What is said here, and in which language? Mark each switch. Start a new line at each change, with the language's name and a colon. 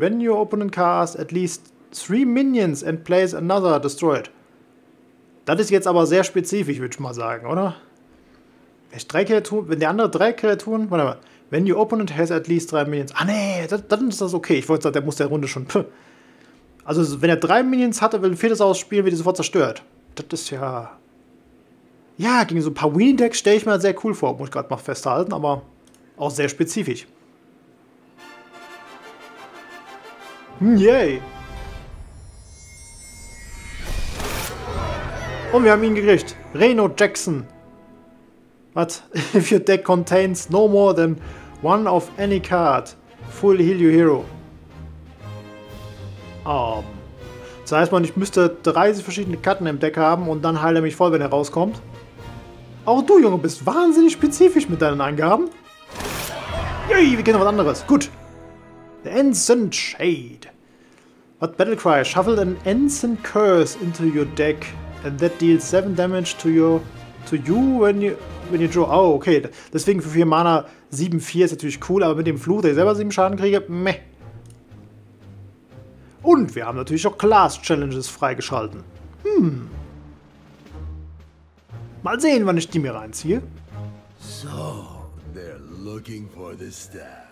English: When your opponent casts at least 3 minions and plays another, destroy it.
German: Das ist jetzt aber sehr spezifisch, würde ich mal sagen, oder? Wenn der andere 3 Kreaturen. Warte mal.
English: When your opponent has at least 3 Minions.
German: Ah, nee, dann ist das okay. Ich wollte sagen, der muss der Runde schon. Also, wenn er 3 Minions hatte, will ein viertes ausspielen, wird er sofort zerstört. Das ist ja. Ja, gegen so ein paar Winnie-Decks stelle ich mir sehr cool vor, muss ich gerade mal festhalten, aber auch sehr spezifisch. Yay! Und wir haben ihn gekriegt. Reno Jackson.
English: But if your deck contains no more than one of any card, full heal your hero.
German: Das heißt, ich müsste 30 verschiedene Karten im Deck haben und dann heilt er mich voll, wenn er rauskommt. Auch du, Junge, bist wahnsinnig spezifisch mit deinen Angaben. Yay, wir kennen was anderes. Gut. The Ancient Shade.
English: What Battlecry? Shuffle an Ancient Curse into your deck and that deals 7 damage to you when you draw. Oh, okay.
German: Deswegen für 4 Mana 7-4 ist natürlich cool, aber mit dem Fluch, der ich selber 7 Schaden kriege, meh. Und wir haben natürlich auch Class-Challenges freigeschalten. Mal sehen, wann ich die mir reinziehe.
English: So, they're looking for the staff.